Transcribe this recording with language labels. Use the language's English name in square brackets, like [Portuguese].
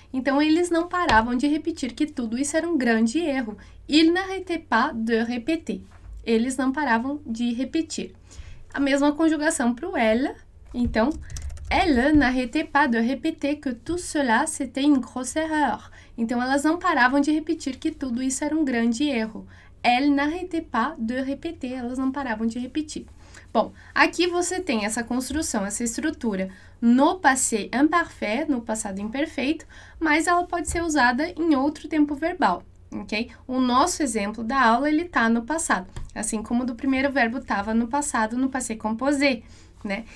[Portuguese] Então, eles não paravam de repetir que tudo isso era um grande erro. [French] Il n'arrêtait pas de répéter. [Portuguese] Eles não paravam de repetir. A mesma conjugação para o elle. [French] Então, elle n'arrêtait pas de répéter que tout cela c'était une grosse erreur. [Portuguese] Então, elas não paravam de repetir que tudo isso era um grande erro. [French] Elle n'arrêtait pas de répéter. [Portuguese] Elas não paravam de repetir. Bom, aqui você tem essa construção, essa estrutura no passé imparfait, no passado imperfeito, mas ela pode ser usada em outro tempo verbal, ok? O nosso exemplo da aula, ele está no passado, assim como o do primeiro verbo estava no passado, no passé composé, né?